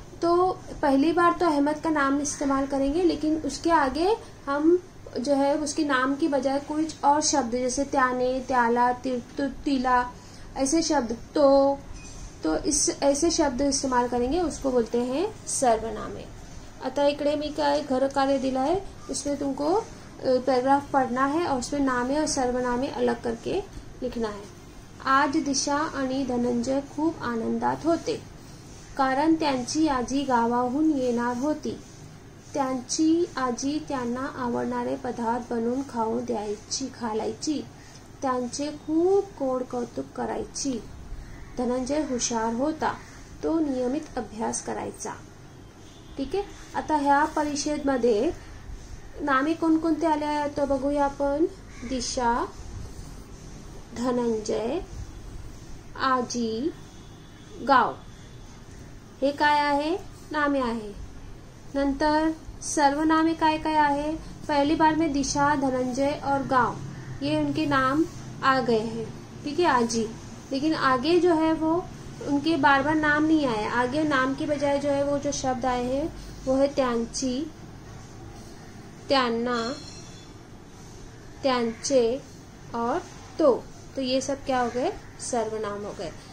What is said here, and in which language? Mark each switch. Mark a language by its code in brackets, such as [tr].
[hi] तो पहली बार तो अहमद का नाम इस्तेमाल करेंगे, लेकिन उसके आगे हम जो है उसके नाम की बजाय कुछ और शब्द, जैसे त्याने, त्याला, तीला ऐसे शब्द, तो इस ऐसे शब्द इस्तेमाल करेंगे, उसको बोलते हैं सर्वनामे। अतः [mr] इकड़े मी का एक घर कार्य दिला है, [hi] उसमें तुमको पैराग्राफ पढ़ना है और उसमें नामे और सर्वनामे अलग करके लिखना है। [mr] आज दिशा आणि धनंजय खूब आनंदात होते, कारण त्यांची आजी गावाहून येणार होती, त्यांची आजी त्यांना आवडणारे पदार्थ बनवून खाऊ द्यायची, खालायची, त्यांचे खूप गोड कौतुक करायची। धनंजय हुशार होता, तो नियमित अभ्यास करायचा, ठीक है। आता ह्या परिषद मध्ये नामे कोणकोणते आले आहेत तो बघूया आपण। दिशा, धनंजय, आजी, गाव हे काय आहे नामे आहे। नंतर सर्वनामे काय काय आहे, [hi] पहली बार में दिशा, धनंजय और गाव ये उनके नाम आ गए हैं, ठीक है आजी, लेकिन आगे जो है वो उनके बार बार नाम नहीं आए, आगे नाम की बजाय जो है वो जो शब्द आए हैं वो है त्यांची, त्यांना, त्यांचे और तो ये सब क्या हो गए सर्वनाम हो गए।